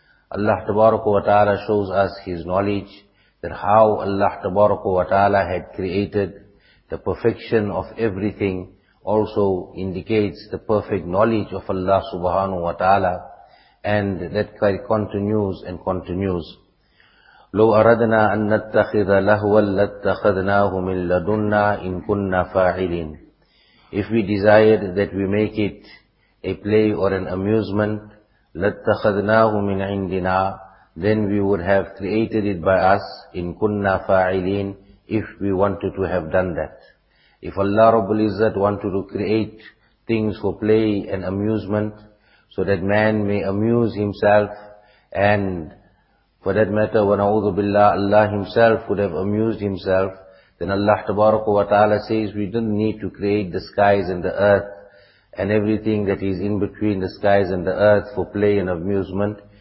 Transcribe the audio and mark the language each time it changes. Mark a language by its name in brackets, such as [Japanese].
[English] Allah tabaraka wa ta'ala shows us His knowledge, that how Allah tabaraka wa ta'ala had created the perfection of everything also indicates the perfect knowledge of Allah subhanahu wa ta'ala, and that continues and continues. [Arabic] لو أردنا أن نتخذ لهوا لاتخذناه من لدنا إن كنا فاعلين. [English] If we desired that we make it a play or an amusement, [Arabic] لاتخذناه من عندنا, [English] then we would have created it by us, [Arabic] إن كنا فاعلين, [English] if we wanted to have done that. If Allah Rabbul Izzat wanted to create things for play and amusement, so that man may amuse himself, and for that matter, wa na'udhu billah, Allah Himself would have amused Himself, then Allah tabaraka wa ta'ala says, we didn't need to create the skies and the earth and everything that is in between the skies and the earth for play and amusement.